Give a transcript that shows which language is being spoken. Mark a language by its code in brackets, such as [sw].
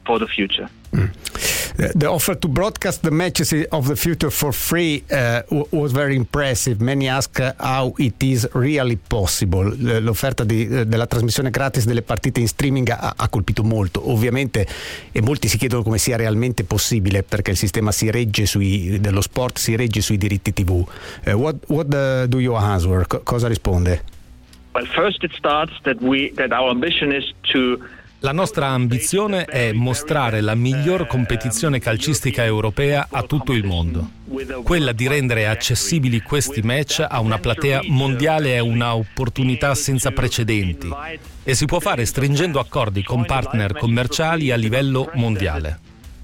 [en] The offer to broadcast the matches of the future for free was very impressive. Many ask how it is really possible. [it] L'offerta della trasmissione gratis delle partite in streaming ha colpito molto, ovviamente, e molti si chiedono come sia realmente possibile, perché il sistema si regge dello sport si regge sui diritti TV. [en] What do you answer? [it] Cosa risponde? [en] Well, first it starts that our ambition is to. [it] La nostra ambizione è mostrare la miglior competizione calcistica europea a tutto il mondo. Quella di rendere accessibili questi match a una platea mondiale è un'opportunità senza precedenti e si può fare stringendo accordi con partner commerciali a livello mondiale.